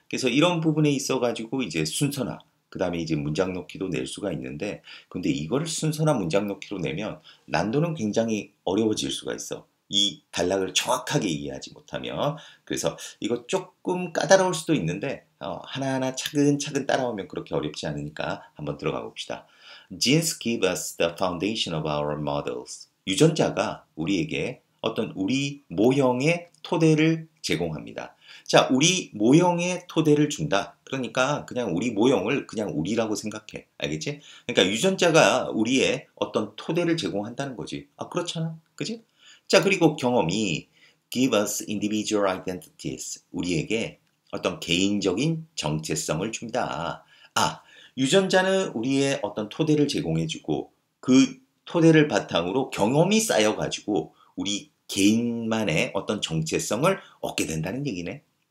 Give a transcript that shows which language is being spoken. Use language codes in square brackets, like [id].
[ko] 그래서 이런 부분에 있어 가지고 이제 순서나 그 다음에 이제 문장 넣기도 낼 수가 있는데 근데 이걸 순서나 문장 넣기로 내면 난도는 굉장히 어려워질 수가 있어. 이 단락을 정확하게 이해하지 못하면. 그래서 이거 조금 까다로울 수도 있는데 하나하나 차근차근 따라오면 그렇게 어렵지 않으니까 한번 들어가 봅시다. [en] Genes give us the foundation of our models. [ko] 유전자가 우리에게 어떤 우리 모형의 토대를 제공합니다. 자, 우리 모형의 토대를 준다. 그러니까 그냥 우리 모형을 그냥 우리라고 생각해. 알겠지? 그러니까 유전자가 우리의 어떤 토대를 제공한다는 거지. 아, 그렇잖아. 그지? 자, 그리고 경험이 [en] give us individual identities. [ko] 우리에게 어떤 개인적인 정체성을 준다. 아, 유전자는 우리의 어떤 토대를 제공해주고 그 토대를 바탕으로 경험이 쌓여가지고 우리 개인만의 어떤 정체성을 얻게 된다는 얘기네.